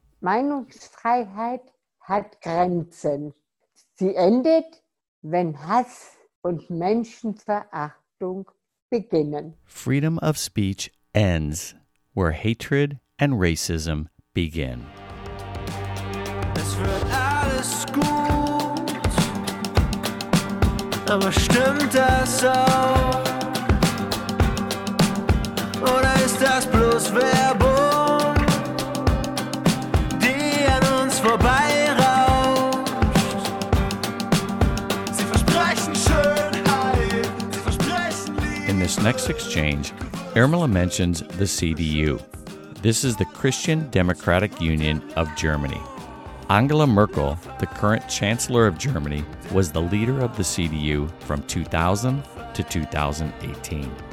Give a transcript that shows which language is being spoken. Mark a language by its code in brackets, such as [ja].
[de] Meinungsfreiheit hat Grenzen. Sie endet, wenn Hass und Menschenverachtung beginnen. [en] Freedom of speech ends where hatred and racism begin. [de] Es wird alles gut, aber stimmt das auch? Oder ist das bloß Werbung, die an uns vorbeirauscht? Sie versprechen Schönheit, sie versprechen Liebe. [en] In this next exchange, Irmela mentions the CDU. This is the Christian Democratic Union of Germany. Angela Merkel, the current Chancellor of Germany, was the leader of the CDU from 2000 to 2018.